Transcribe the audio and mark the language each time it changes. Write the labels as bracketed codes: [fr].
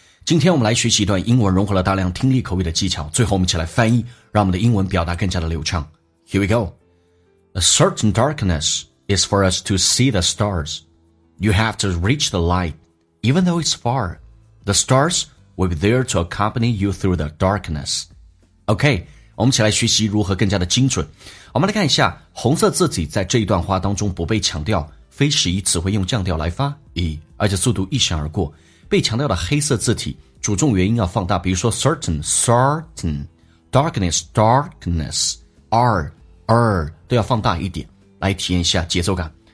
[zh] 今天我们来学习一段英文融合了大量听力口语的技巧，最后我们一起来翻译，让我们的英文表达更加的流畅。 [en] Here we go. A certain darkness is for us to see the stars. You have to reach the light, even though it's far. The stars will be there to accompany you through the darkness. Okay. [zh] 我们一起来学习如何更加的精准。我们来看一下红色字体在这一段话当中不被强调，非使以词汇用降调来发，而且速度一闪而过。被强调的黑色字体主重元音要放大，比如说 [en] certain, certain, darkness, darkness, [zh] r, r, 都要放大一点，来体验一下节奏感。